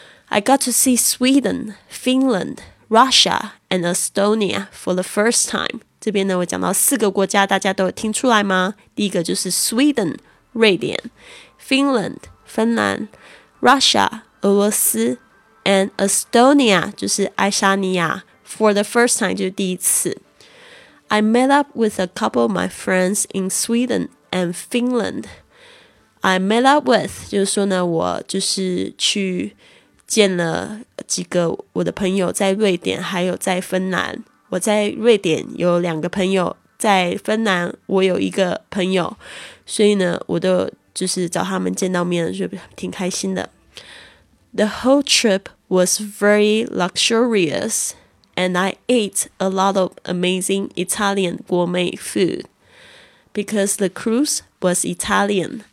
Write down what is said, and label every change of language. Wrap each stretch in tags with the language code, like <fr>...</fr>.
<en>I got to see Sweden, Finland, Russia, and Estonia for the first time.</en> <zh>这边呢我讲到四个国家，大家都有听出来吗？第一个就是 Sweden, 瑞典， Finland, 芬兰， Russia, 俄罗斯， and Estonia, 就是爱沙尼亚，</zh> <en>for the first time,</en> <zh>就是第一次。</zh> <en>I met up with a couple of my friends in Sweden and Finland. I met up with,</en> <zh>就是说呢，我就是去见了几个我的朋友在瑞典还有在芬兰。我在瑞典有两个朋友，在芬兰我有一个朋友，所以呢我都就是找他们见到面，就挺开心的。</zh> <en>The whole trip was very luxurious and I ate a lot of amazing Italian gourmet food because the cruise was Italian.</en>